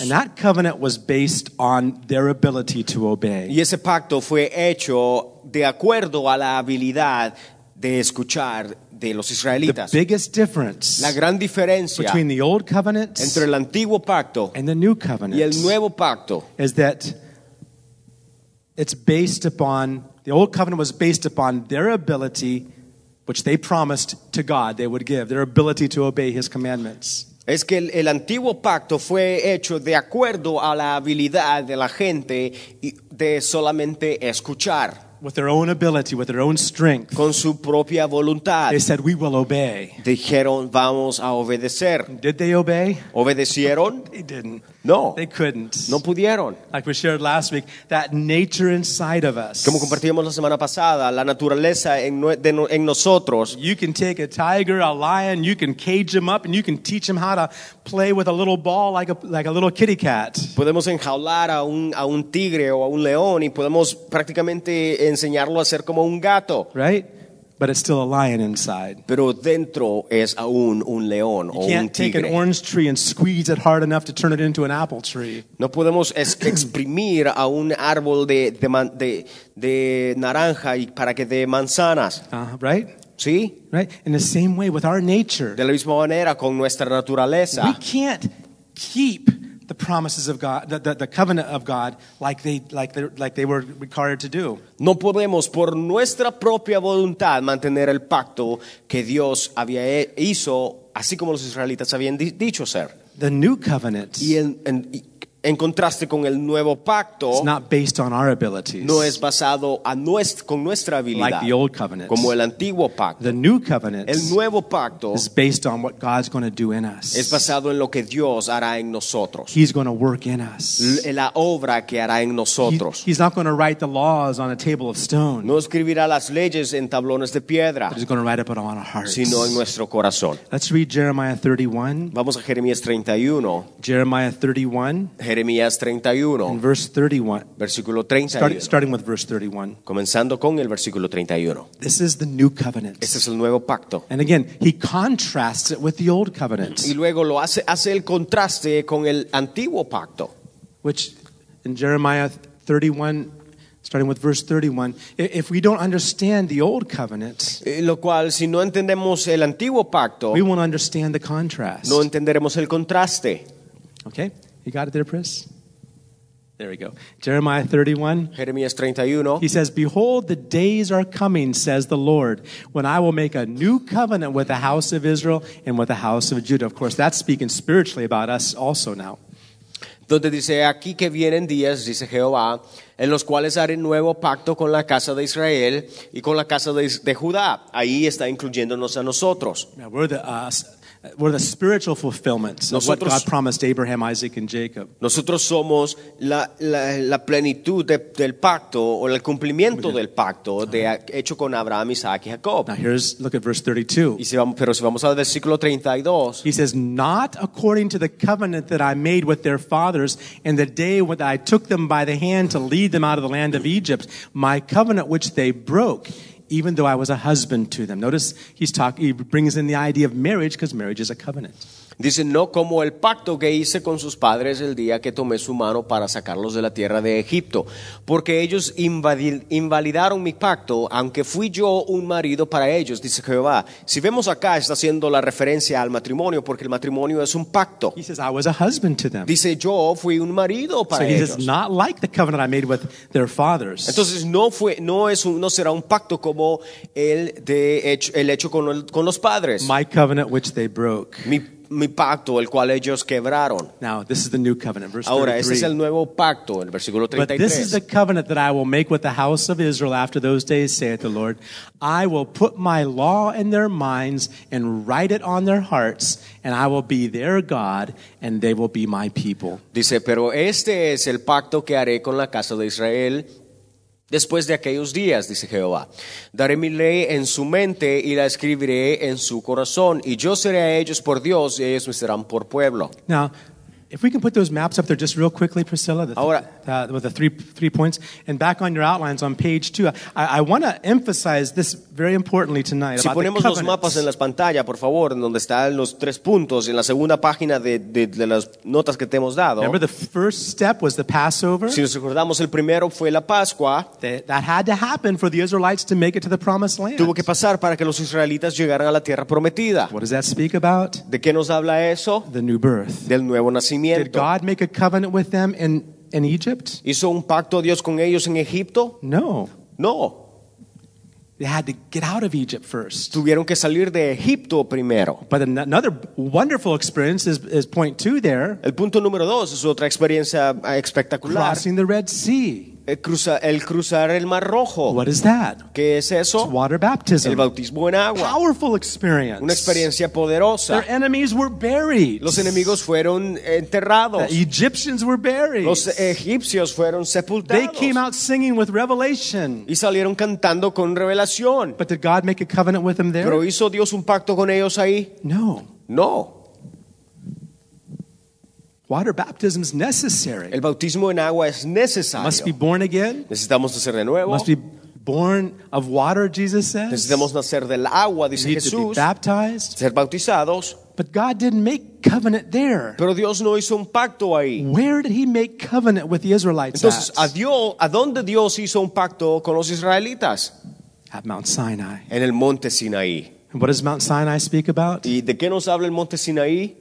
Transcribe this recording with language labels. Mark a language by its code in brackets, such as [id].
[en] And that covenant was based on their ability to obey. [es] Y ese pacto fue hecho de acuerdo a la habilidad de escuchar de los israelitas. [en] The biggest difference [es] la gran diferencia [en] between the old covenant [es] entre el antiguo pacto [en] and the new covenant [es] y el nuevo pacto [en] is that it's based upon the old covenant was based upon their ability which they promised to God they would give, their ability to obey his commandments. [es] Es que el antiguo pacto fue hecho de acuerdo a la habilidad de la gente de solamente escuchar. [en] With their own ability, with their own strength. [es] Con su propia voluntad. [en] They said, we will obey. [es] Dijeron, vamos a obedecer. [en] Did they obey? [es] ¿Obedecieron? [en] They didn't. [es] No. [en] They couldn't. [es] No pudieron. [en] Like we shared last week, that nature inside of us. [es] Como compartimos la semana pasada, la naturaleza en nosotros. [en] You can take a tiger, a lion, you can cage him up, and you can teach him how to play with a little ball like a little kitty cat. [es] Podemos enjaular a un tigre o a un león y podemos prácticamente enseñarlo a ser como un gato. [en] Right? But it's still a lion inside. [es] Pero dentro es aún un león o un tigre. [en] can't take an orange tree and squeeze it hard enough to turn it into an apple tree. [es] No podemos exprimir a un árbol de naranja y para que dé manzanas. [en] Right? [es] ¿Sí? [en] Right? In the same way with our nature. [es] De la misma manera con nuestra naturaleza. [en] We can't keep the promises of God, the covenant of God, like they were required to do. [es] No podemos por nuestra propia voluntad mantener el pacto que Dios había hizo, así como los israelitas habían dicho ser. [en] The new covenant. [es] Y en contraste con el nuevo pacto. [en] It's not based on our abilities. [es] No es basado con nuestra habilidad. [en] Like the old covenant. [es] Como el antiguo pacto. [en] The new covenant. [es] El nuevo pacto. [en] Is based on what God's going to do in us. [es] Es basado en lo que Dios hará en nosotros. [en] He's going to work in us. [es] La obra que hará en nosotros. [en] He's not going to write the laws on a table of stone. [es] No escribirá las leyes en tablones de piedra. [en] But he's going to write it upon our hearts. [es] Sino en nuestro corazón. [en] Let's read Jeremiah 31. [es] Vamos a Jeremías 31. [en] Jeremiah 31. [es] Jeremías 31. [en] In verse 31. [es] Versículo 31. [en] Starting with verse 31. [es] Comenzando con el versículo 31. [en] This is the new covenant. [es] Este es el nuevo pacto. [en] And again, he contrasts it with the old covenant. [es] Y luego lo hace el contraste con el antiguo pacto. [en] Which in Jeremiah 31, starting with verse 31, if we don't understand the old covenant, [es] lo cual si no entendemos el antiguo pacto, [en] we won't understand the contrast. [es] No entenderemos el contraste. [en] Okay? You got it there, Pris? There we go. Jeremiah 31. [es] Jeremías 31. [en] He says, behold, the days are coming, says the Lord, when I will make a new covenant with the house of Israel and with the house of Judah. Of course, that's speaking spiritually about us also now. [es] Donde dice, aquí que vienen días, dice Jehová, en los cuales haré nuevo pacto con la casa de Israel y con la casa de Judá. Ahí está incluyéndonos a nosotros. [en] Now, we're the spiritual fulfillment of [es] nosotros, [en] what God promised Abraham, Isaac, and Jacob. [es] Nosotros somos la plenitud del pacto o el cumplimiento del pacto hecho con Abraham, Isaac, y Jacob. [en] Now here's, look at verse 32. [es] Pero si vamos al versículo 32. [en] He says, not according to the covenant that I made with their fathers in the day when I took them by the hand to lead them out of the land of Egypt, my covenant which they broke, even though I was a husband to them. Notice he brings in the idea of marriage because marriage is a covenant. [es] Dice, no como el pacto que hice con sus padres el día que tomé su mano para sacarlos de la tierra de Egipto, porque ellos invalidaron mi pacto, aunque fui yo un marido para ellos, dice Jehová. Si vemos acá, está haciendo la referencia al matrimonio, porque el matrimonio es un pacto. [en] He says, I was a husband to them. [es] Dice, yo fui un marido para ellos. [en] So he says, not like the covenant I made with their fathers. [es] Entonces, no será un pacto como el hecho con los padres. [en] My covenant which they broke. [es] Mi pacto, el cual ellos quebraron. [en] Now, this is the new covenant, verse 33. [es] Ahora, este es el nuevo pacto, el versículo 33. [en] But this is the covenant that I will make with the house of Israel after those days, saith the Lord. I will put my law in their minds and write it on their hearts, and I will be their God, and they will be my people. [es] Dice, pero este es el pacto que haré con la casa de Israel. Después de aquellos días, dice Jehová, daré mi ley en su mente y la escribiré en su corazón, y yo seré a ellos por Dios y ellos me serán por pueblo. [en] Now, if we can put those maps up there just real quickly, Priscilla, with the three points, and back on your outlines on page 2, I want to emphasize this very importantly tonight. [es] Si ponemos los mapas en la pantalla, por favor, en donde están los tres puntos, en la segunda página de las notas que te hemos dado. [en] Remember, the first step was the Passover. [es] Si nos recordamos, el primero fue la Pascua. [en] That had to happen for the Israelites to make it to the promised land. [es] Tuvo que pasar para que los israelitas llegaran a la tierra prometida. [en] What does that speak about? [es] ¿De qué nos habla eso? [en] The new birth. [es] Del nuevo nacimiento. [en] Did God make a covenant with them in Egypt? [es] ¿Hizo un pacto Dios con ellos en Egipto? [en] No. [es] No. [en] They had to get out of Egypt first. [es] Tuvieron que salir de Egipto primero. [en] But another wonderful experience is point two there. [es] El punto número dos es otra experiencia espectacular. [en] Crossing the Red Sea. [es] El cruzar el Mar Rojo. [en] What is that? [es] ¿Qué es eso? [en] It's water baptism. [es] El bautismo en agua. [en] Powerful experience. [es] Una experiencia poderosa. [en] Their enemies were buried. [es] Los enemigos fueron enterrados. [en] The Egyptians were buried. [es] Los egipcios fueron sepultados. [en] They came out singing with revelation. [es] Y salieron cantando con revelación. [en] But did God make a covenant with them there? [es] ¿Pero hizo Dios un pacto con ellos ahí? [en] No. [es] No. [en] Water baptism is necessary. [es] El bautismo en agua es necesario. [en] Must be born again. [es] Necesitamos nacer de nuevo. [en] Must be born of water, Jesus says. [es] Necesitamos nacer del agua, dice Jesús. [en] Need to be baptized. [es] Ser bautizados. [en] But God didn't make covenant there. [es] Pero Dios no hizo un pacto ahí. [en] Where did he make covenant with the Israelites? [es] Entonces, ¿a dónde Dios hizo un pacto con los israelitas? [en] At Mount Sinai. [es] En el monte Sinaí. [en] What does Mount Sinai speak about? [es] ¿Y de qué nos habla el Monte Sinaí?